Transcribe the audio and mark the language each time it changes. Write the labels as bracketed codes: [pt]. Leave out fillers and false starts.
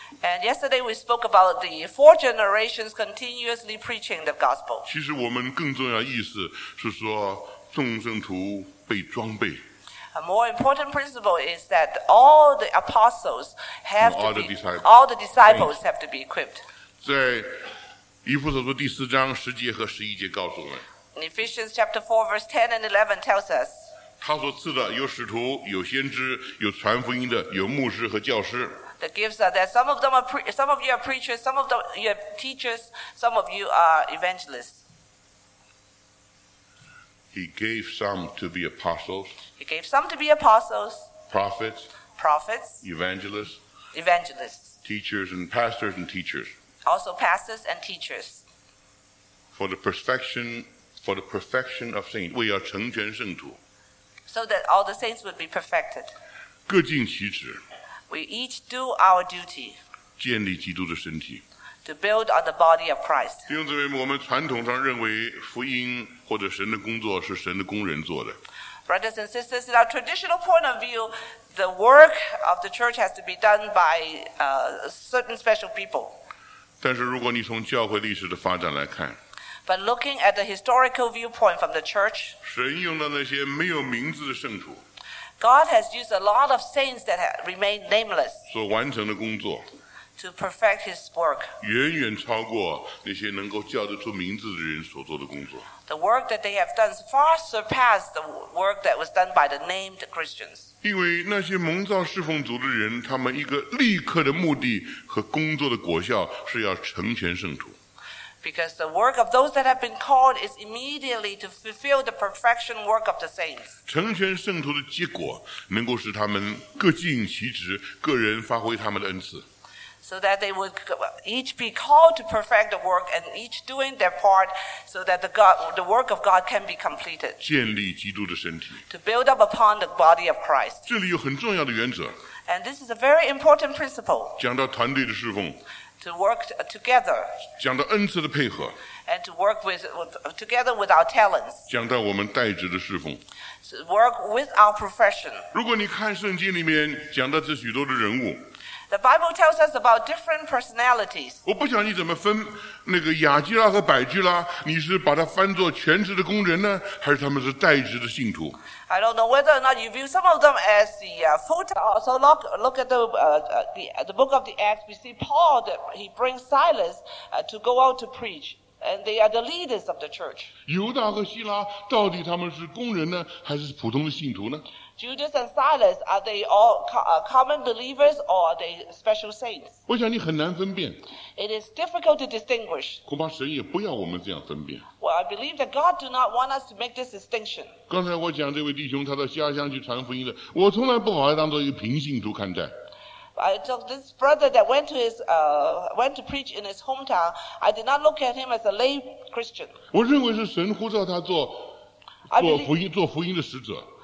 [en] And yesterday we spoke about the four generations continuously preaching the gospel. [zh] 其实我们更重要的意思是说众圣徒被装备。 [en] A more important principle is that all the apostles have to be, all the disciples have to be equipped. [zh] 在以弗所书第四章十节和十一节告诉我们。 [en] In Ephesians chapter 4 verse 10 and 11 tells us. [zh] 他所赐的有使徒，有先知，有传福音的，有牧师和教师。 [en] The gifts are that some of them are some of you are preachers, some of them you are teachers, some of you are evangelists. He gave some to be apostles. He gave some to be apostles. Prophets. Prophets. Evangelists. Evangelists. Teachers and pastors and teachers. Also pastors and teachers. For the perfection of saints, [zh] 为要成全圣徒。 [en] So that all the saints would be perfected. [zh] 各尽其职。 [en] We each do our duty [zh] 建立基督的身体 [en] to build on the body of Christ. [zh] 弟兄姊妹，我们传统上认为福音或者神的工作是神的工人做的。 [en] Brothers and sisters, in our traditional point of view, the work of the church has to be done by certain special people. [zh] 但是如果你从教会历史的发展来看 [en] But looking at the historical viewpoint from the church, [zh] 神用了那些没有名字的圣徒。 [en] God has used a lot of saints that have remained nameless [zh] 所完成的工作 [en] to perfect his work. [zh] 远远超过那些能够叫得出名字的人所做的工作。 [en] The work that they have done far surpassed the work that was done by the named Christians. [zh] 因为那些蒙召侍奉主的人，他们一个立刻的目的和工作的果效是要成全圣徒。 [en] Because the work of those that have been called is immediately to fulfill the perfection work of the saints. [zh] 成全圣徒的结果能够使他们各尽其职，个人发挥他们的恩赐。 [en] So that they would each be called to perfect the work and each doing their part so that the work of God can be completed. [zh] 建立基督的身体。 [en] To build up upon the body of Christ. [zh] 这里有很重要的原则。 [en] And this is a very important principle. [zh] 讲到团队的侍奉。 [en] To work together, [zh] 讲到恩赐的配合 [en] and to work together with our talents, [zh] 讲到我们代职的侍奉 [en] to work with our profession. [zh] 如果你看圣经里面讲到这许多的人物 [en] the Bible tells us about different personalities. [zh] 我不想你怎么分那个亚基拉和百基拉，你是把它翻作全职的工人呢，还是他们是代职的信徒？ [en] I don't know whether or not you view some of them as the full-time. So look at the book of the Acts. We see Paul that he brings Silas to go out to preach, and they are the leaders of the church. [zh] 犹大和希拉到底他们是工人呢，还是普通的信徒呢？ [en] Judas and Silas are they all common believers or are they special saints? [zh] 我想你很难分辨。 [en] It is difficult to distinguish. [zh] 恐怕神也不要我们这样分辨。 [en] Well, I believe that God do not want us to make this distinction. [zh] 刚才我讲这位弟兄，他到家乡去传福音了，我从来不把他当作一个平信徒看待。 [en] I told this brother that went to his went to preach in his hometown. I did not look at him as a lay Christian. [zh] 我认为是神呼召他做福音的使者。